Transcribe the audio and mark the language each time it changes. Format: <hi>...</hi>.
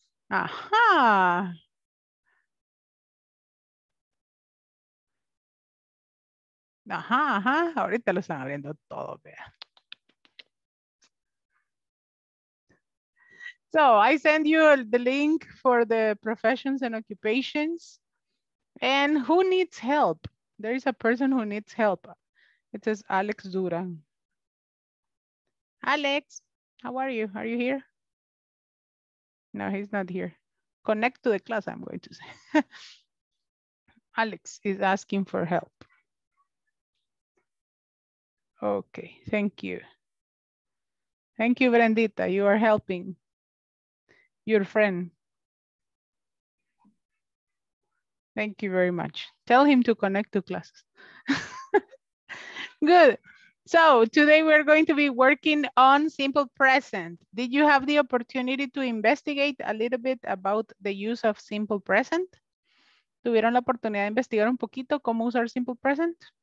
<es>Ajá. Ajá, ajá, ahorita lo están abriendo todo, vea.</es> <en>So, I send you the link for the professions and occupations. And who needs help? There is a person who needs help. It says Alex Duran. Alex, how are you? Are you here? No, he's not here. Connect to the class, I'm going to say. Alex is asking for help. Okay, thank you. Thank you, Brendita. You are helping your friend. Thank you very much. Tell him to connect to classes. Good. So today we're going to be working on simple present. Did you have the opportunity to investigate a little bit about the use of simple present?</en> <es>¿Tuvieron la oportunidad de investigar un poquito cómo usar simple present?</es>